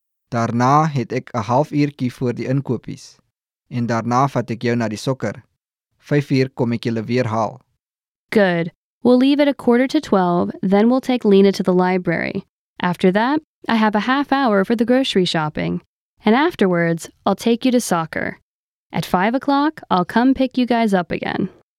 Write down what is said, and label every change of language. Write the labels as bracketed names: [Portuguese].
[Afrikaans] Daarna het ek 1/2 uurtjie voor die inkopies. En daarna vat ek jou na die sokker. 5:00 kom ek julle weer haal. [English] Good. We'll leave at 11:45, then we'll take Lena to the library. After that, I have 1/2 hour for the grocery shopping. And afterwards, I'll take you to soccer. At 5:00, I'll come pick you guys up again.